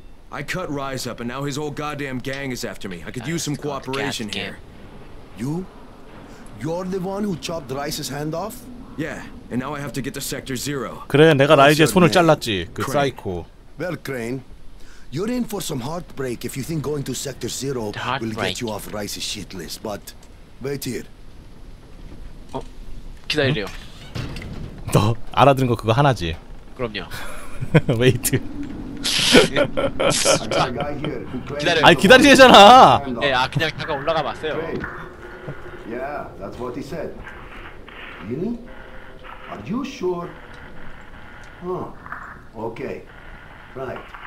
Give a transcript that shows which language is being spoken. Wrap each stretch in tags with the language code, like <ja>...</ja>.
<en>I cut Rise up, and now his whole goddamn gang is after me. I could use some cooperation here. You? You're the one who chopped Rise's hand off? Yeah, and now I have to get to Sector Zero.</en> <ko>그래, 내가 라이즈의 손을 잘랐지, 그 사이코.</ko> <en>Well, Crane, you're in for some heartbreak if you think going to Sector Zero will get you off Rise's shit list. But wait here.</en> <ko>어? 기다려요. 너 알아들은 거 그거 하나지? 그럼요.</ko> <en>Wait.</en> <ko>기다려. 아니 기다리시잖아. 예, 아 그냥 잠깐 올라가 봤어요.</ko> <en>Yeah, that's what he said. Really? Are you sure? Huh. Okay. Right.</en>